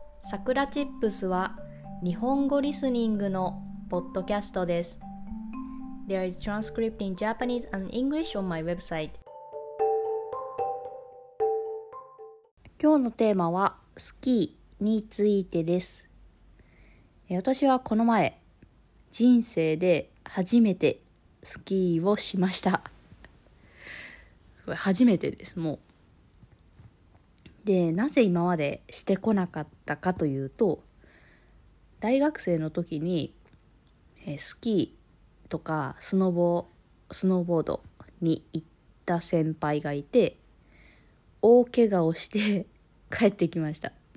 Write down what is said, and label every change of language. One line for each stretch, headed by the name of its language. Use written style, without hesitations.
Japanese: さくらチップスは日本語リスニングのポッドキャストです。
English: There is transcript in Japanese and English on my website。
Japanese: 今日のテーマはスキーについてです。私はこの前人生で初めてスキーをしました。初めてです。もうでなぜ今までしてこなかったかというと、大学生の時にスキーとかスノーボードに行った先輩がいて、大怪我をして帰ってきました。